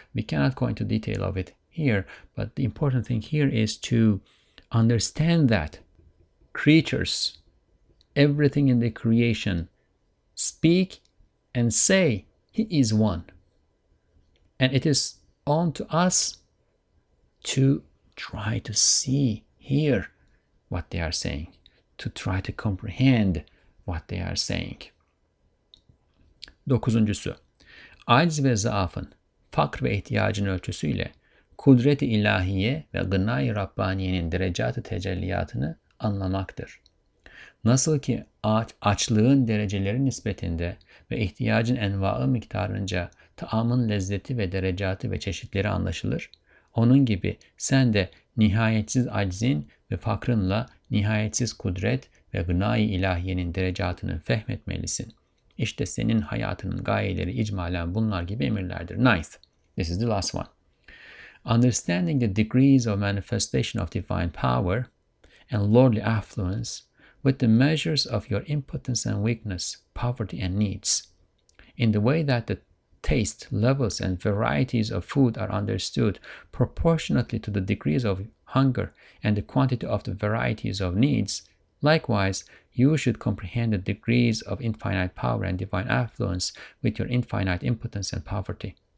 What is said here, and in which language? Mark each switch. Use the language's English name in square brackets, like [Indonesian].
[English] We cannot go into detail of it here, but the important thing here is to understand that creatures, everything in the creation, speak and say he is one. And it is on to us to try to see, hear what they are saying, to try to comprehend what they are saying. [Turkish] Dokuzuncusu, aciz ve zaafın, fakr ve ihtiyacın ölçüsüyle kudret-i ilahiye ve gına-i Rabbaniye'nin derecat-ı tecelliyatını anlamaktır. Nasıl ki açlığın dereceleri nispetinde ve ihtiyacın enva-ı miktarınca taamın lezzeti ve derecatı ve çeşitleri anlaşılır, onun gibi sen de nihayetsiz acizin ve fakrınla nihayetsiz kudret ve gına-i ilahiyenin derecatını fehmetmelisin. İşte senin hayatının gayeleri icmalen bunlar gibi emirlerdir. [English] Ninth. This is the last one. Understanding the degrees of manifestation of divine power and lordly affluence with the measures of your impotence and weakness, poverty and needs. In the way that the taste, levels and varieties of food are understood proportionately to the degrees of hunger and the quantity of the varieties of needs, likewise, you should comprehend the degrees of infinite power and divine affluence with your infinite impotence and poverty.